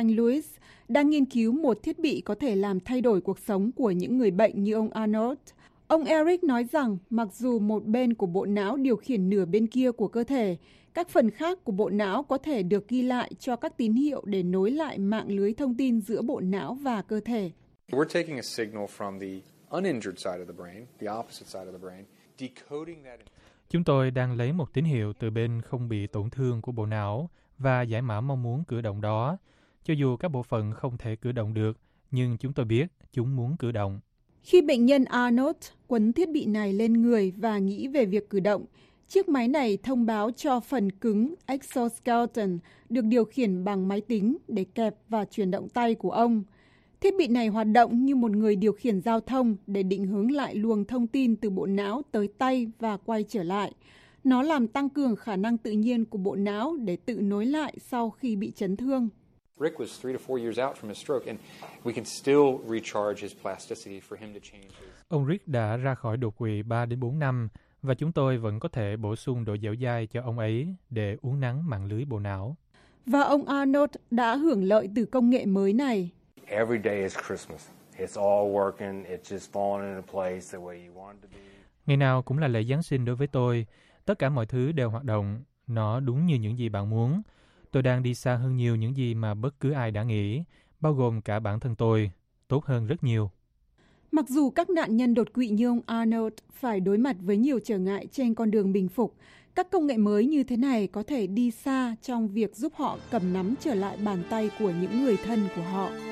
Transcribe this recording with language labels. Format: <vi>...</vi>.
<vi>Louis, đang nghiên cứu một thiết bị có thể làm thay đổi cuộc sống của những người bệnh như ông Arnold. Ông Eric nói rằng mặc dù một bên của bộ não điều khiển nửa bên kia của cơ thể, các phần khác của bộ não có thể được ghi lại cho các tín hiệu để nối lại mạng lưới thông tin giữa bộ não và cơ thể.</vi> <en>We're taking a signal from the uninjured side of the brain, the opposite side of the brain.</en> <vi>Chúng tôi đang lấy một tín hiệu từ bên không bị tổn thương của bộ não và giải mã mong muốn cử động đó. Cho dù các bộ phận không thể cử động được, nhưng chúng tôi biết chúng muốn cử động. Khi bệnh nhân Arnold quấn thiết bị này lên người và nghĩ về việc cử động, chiếc máy này thông báo cho phần cứng exoskeleton được điều khiển bằng máy tính để kẹp và chuyển động tay của ông. Thiết bị này hoạt động như một người điều khiển giao thông để định hướng lại luồng thông tin từ bộ não tới tay và quay trở lại. Nó làm tăng cường khả năng tự nhiên của bộ não để tự nối lại sau khi bị chấn thương.</vi> <en>Rick was 3 to 4 years out from his stroke and we can still recharge his plasticity for him to change.</en> <vi>Ông Rick đã ra khỏi đột quỵ 3 đến 4 năm và chúng tôi vẫn có thể bổ sung độ dẻo dai cho ông ấy để uốn nắn mạng lưới bộ não. Và ông Arnold đã hưởng lợi từ công nghệ mới này.</vi> <en>Every day is Christmas. It's all working. It's just falling into place the way you want it to be.</en> <vi>Ngày nào cũng là lễ Giáng sinh đối với tôi. Tất cả mọi thứ đều hoạt động. Nó đúng như những gì bạn muốn. Tôi đang đi xa hơn nhiều những gì mà bất cứ ai đã nghĩ, bao gồm cả bản thân tôi. Tốt hơn rất nhiều. Mặc dù các nạn nhân đột quỵ như ông Arnold phải đối mặt với nhiều trở ngại trên con đường bình phục, các công nghệ mới như thế này có thể đi xa trong việc giúp họ cầm nắm trở lại bàn tay của những người thân của họ.</vi>